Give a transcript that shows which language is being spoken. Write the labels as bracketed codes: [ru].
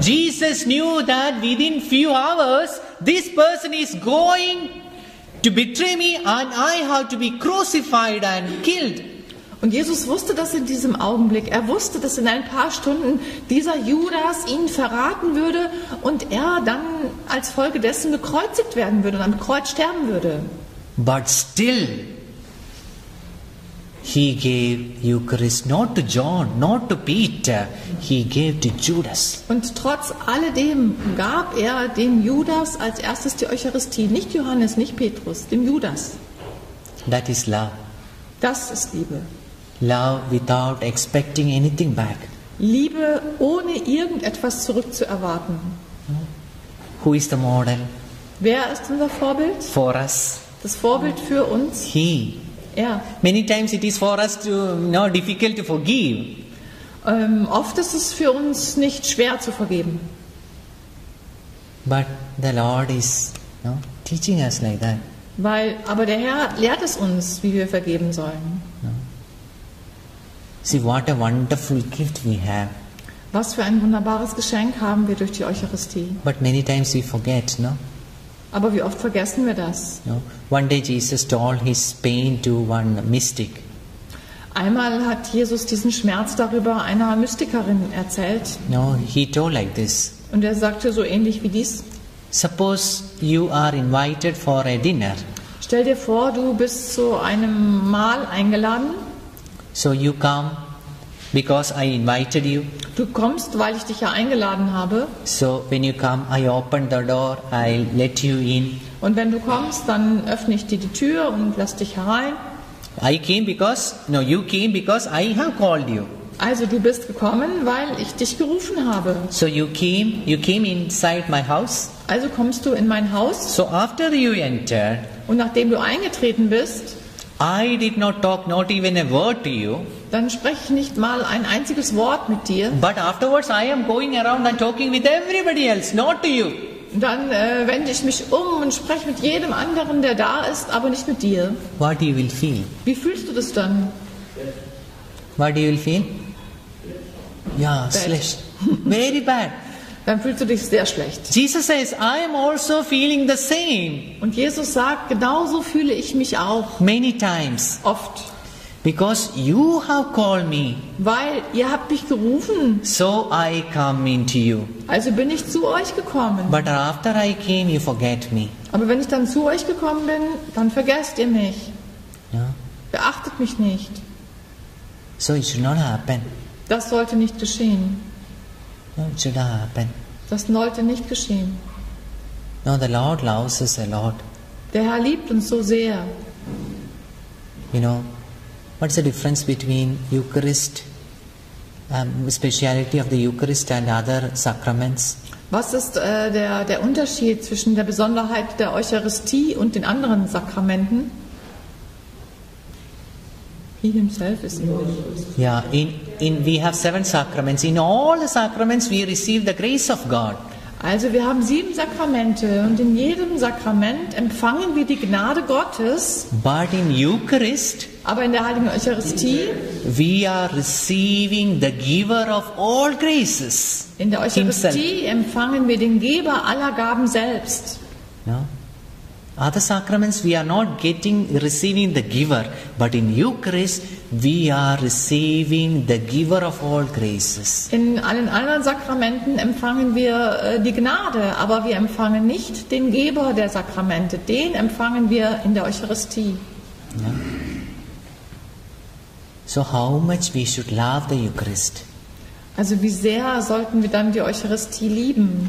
[en] Jesus knew that within few hours this person is going to betray me and I have to be crucified and killed. [de] Und Jesus wusste das in diesem Augenblick. Er wusste, dass in ein paar Stunden dieser Judas ihn verraten würde und er dann als Folge dessen gekreuzigt werden würde und am Kreuz sterben würde. [en] But still he gave Eucharist not to John, not to Peter, he gave to Judas. [de] Und trotz alledem gab er dem Judas als erstes die Eucharistie, nicht Johannes, nicht Petrus, dem Judas. [en] That is love. [de] Das ist Liebe. [en] Love without expecting anything back. [de] Liebe ohne irgendetwas zurückzuerwarten. [en] Who is the model? [de] Wer ist unser Vorbild? [en] For us. [de] Das Vorbild für uns? [en] He. Yeah. Many times it is for us to, you know, difficult to forgive. [de] Oft ist es für uns nicht schwer zu vergeben. [en] But the Lord is, you know, teaching us like that. [de] Weil, aber der Herr lehrt es uns, wie wir vergeben sollen. [en] See, what a wonderful gift we have. [de] Was für ein wunderbares Geschenk haben wir durch die Eucharistie. [en] But many times we forget, no? [de] Aber wie oft vergessen wir das? [en] No. One day Jesus told his pain to one mystic. [de] Einmal hat Jesus diesen Schmerz darüber einer Mystikerin erzählt. [en] No, he told like this. [de] Und er sagte so ähnlich wie dies. [en] Suppose you are invited for a dinner. [de] Stell dir vor, du bist zu einem Mahl eingeladen. [en] So you come because I invited you. [de] Du kommst, weil ich dich ja eingeladen habe. [en] So when you come, I open the door, I let you in. [de] Und wenn du kommst, dann öffne ich dir die Tür und lass dich herein. [en] I came because, no, you came because I have called you. [de] Also du bist gekommen, weil ich dich gerufen habe. [en] So you came inside my house. [de] Also kommst du in mein Haus. [en] So after you entered. [de] Und nachdem du eingetreten bist. [en] I did not talk not even a word to you. [de] Dann spreche ich nicht mal ein einziges Wort mit dir. [en] But afterwards I am going around and talking with everybody else, not to you. [de] Dann wende ich mich um und spreche mit jedem anderen, der da ist, aber nicht mit dir. [en] What do you will feel? [de] Wie fühlst du das dann? [en] What do you will feel? Yeah, [de] schlecht. [en] Very bad. [de] Dann fühlst du dich sehr schlecht. [en] Jesus says, I am also feeling the same. [de] Und Jesus sagt, genauso fühle ich mich auch. [en] Many times. [de] Oft. [en] Because you have called me. [de] Weil ihr habt mich gerufen. [en] So I come into you. [de] Also bin ich zu euch gekommen. [en] But after I came, you forget me. [de] Aber wenn ich dann zu euch gekommen bin, dann vergesst ihr mich. Ja. Beachtet mich nicht. [en] So it should not happen. [de] Das sollte nicht geschehen. [en] No, it should not happen. [de] Das sollte nicht geschehen. [en] No, the Lord loves us a lot. [de] Der Herr liebt uns so sehr. [en] You know, what's the difference between Eucharist, speciality of the Eucharist and other sacraments? [de] Was ist der Unterschied zwischen der Besonderheit der Eucharistie und den anderen Sakramenten? [en] He himself is English. Yeah, in we have 7 sacraments. In all the sacraments we receive the grace of God. [de] Also wir haben 7 Sakramente und in jedem Sakrament empfangen wir die Gnade Gottes. [en] But in Eucharist, [de] aber in der Heiligen Eucharistie, [en] we are receiving the giver of all graces. [de] In der Eucharistie [en] himself. [de] Empfangen wir den Geber aller Gaben selbst. [en] No? Other sacraments we are not getting receiving the giver, but in Eucharist we are receiving the giver of all graces. [de] In allen anderen Sakramenten empfangen wir die Gnade, aber wir empfangen nicht den Geber der Sakramente. Den empfangen wir in der Eucharistie. [en] Yeah. So how much we should love the Eucharist? [de] Also wie sehr sollten wir dann die Eucharistie lieben?